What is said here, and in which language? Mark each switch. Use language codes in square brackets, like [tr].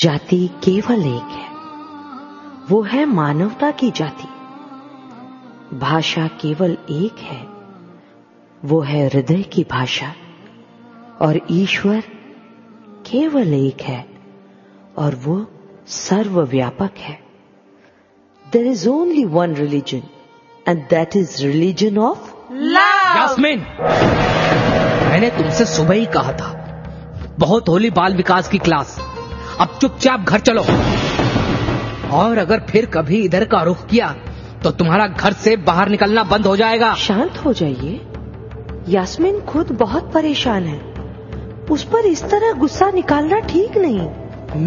[hi] जाति केवल एक है, वो है मानवता की जाति। भाषा केवल एक है, वो है हृदय की भाषा। और ईश्वर केवल एक है और वो सर्वव्यापक है। [en] There is only one religion and that is religion of love। [hi] Yasmin, मैंने तुमसे सुबह ही कहा था बहुत होली बाल विकास की क्लास, अब चुपचाप घर चलो। और अगर फिर कभी इधर का रुख किया तो तुम्हारा घर से बाहर निकलना बंद हो जाएगा। शांत हो जाइए यास्मीन, खुद बहुत परेशान है, उस पर इस तरह गुस्सा निकालना ठीक नहीं।